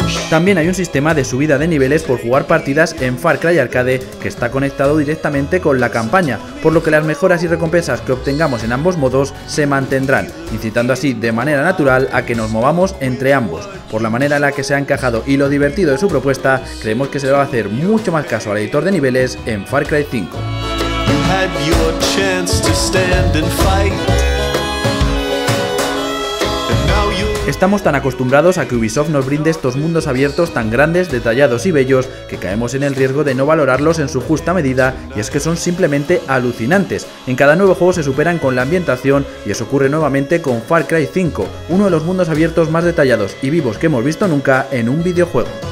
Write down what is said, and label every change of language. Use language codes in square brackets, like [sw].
[es] También hay un sistema de subida de niveles por jugar partidas en Far Cry Arcade que está conectado directamente con la campaña, por lo que las mejoras y recompensas que obtengamos en ambos modos se mantendrán, incitando así de manera natural a que nos movamos entre ambos. Por la manera en la que se ha encajado y lo divertido de su propuesta, creemos que se le va a hacer mucho más caso al editor de niveles en Far Cry 5. [en] Had your chance to stand and fight. [es] Estamos tan acostumbrados a que Ubisoft nos brinde estos mundos abiertos tan grandes, detallados y bellos, que caemos en el riesgo de no valorarlos en su justa medida, y es que son simplemente alucinantes. En cada nuevo juego se superan con la ambientación, y eso ocurre nuevamente con Far Cry 5, uno de los mundos abiertos más detallados y vivos que hemos visto nunca en un videojuego.